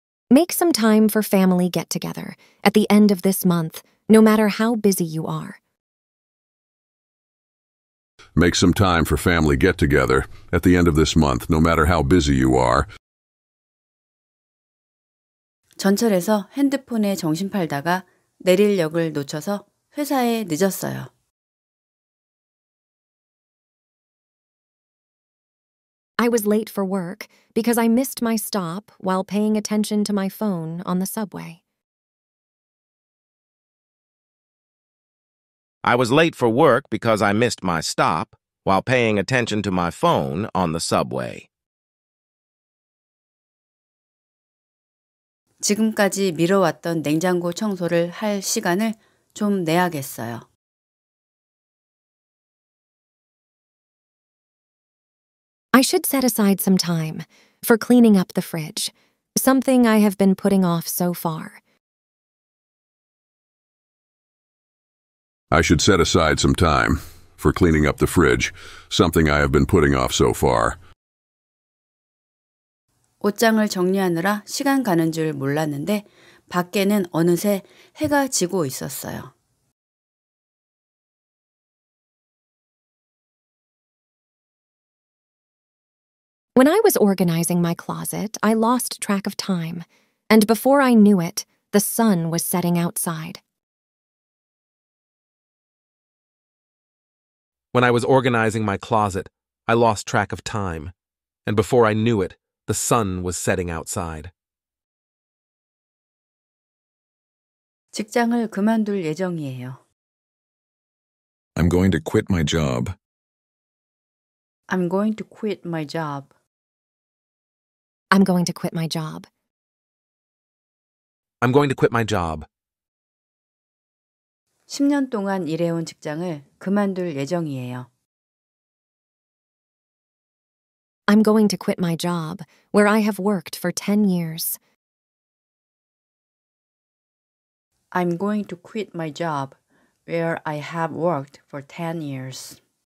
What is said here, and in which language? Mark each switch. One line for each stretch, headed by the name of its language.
English: Make some time for family get-together at the end of this month, no matter how busy you are. Make some time for family get-together at the end of this month, no matter how busy you are.
Korean: 전철에서 핸드폰에 정신 팔다가 내릴 역을 놓쳐서 회사에 늦었어요.
English: I was late for work because I missed my stop while paying attention to my phone on the subway. I was late for work because I missed my stop while paying attention to my phone on the subway.
Korean: 지금까지 미뤄왔던 냉장고 청소를 할 시간을 좀 내야겠어요.
English: I should set aside some time for cleaning up the fridge, something I have been putting off so far. I should set aside some time for cleaning up the fridge, something I have been putting off so far.
Korean: 옷장을 정리하느라 시간 가는 줄 몰랐는데 밖에는 어느새 해가 지고 있었어요.
English: When I was organizing my closet, I lost track of time, and before I knew it, the sun was setting outside. When I was organizing my closet, I lost track of time, and before I knew it, the sun was setting outside.
Korean: 직장을 그만둘 예정이에요.
English: I'm going to quit my job. I'm going to quit my job. I'm going to quit my job. I'm going to quit my job.
Korean: 10년 동안 일해온 직장을 그만둘 예정이에요.
English: I'm going to quit my job where I have worked for 10 years. I'm going to quit my job where I have worked for 10 years.